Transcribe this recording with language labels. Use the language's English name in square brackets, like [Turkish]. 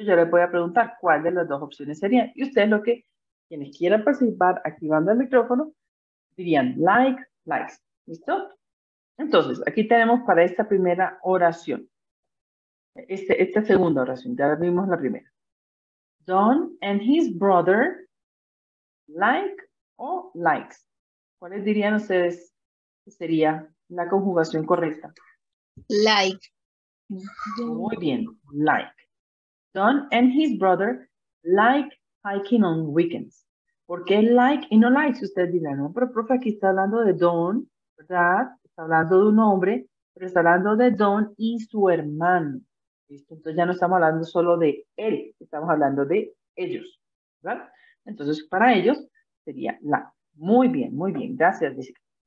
[Spanish] Yo les voy a preguntar cuál de las dos opciones sería. Y ustedes lo que, quienes quieran participar activando el micrófono, dirían like, likes. ¿Listo? Entonces, aquí tenemos para esta primera oración. Esta segunda oración, ya vimos la primera. [English] Don and his brother, like o likes. [Spanish] ¿Cuáles dirían ustedes que sería la conjugación correcta? [English] Like. [Spanish] Muy bien, like. [English] Don and his brother like hiking on weekends. [Spanish] ¿Por qué like y no like? Si ustedes dirán, no, pero profe, aquí está hablando de Don, ¿verdad? Está hablando de un hombre, pero está hablando de Don y su hermano. ¿Listo? Entonces ya no estamos hablando solo de él, estamos hablando de ellos, ¿verdad? Entonces para ellos sería la. Muy bien, gracias, Jessica.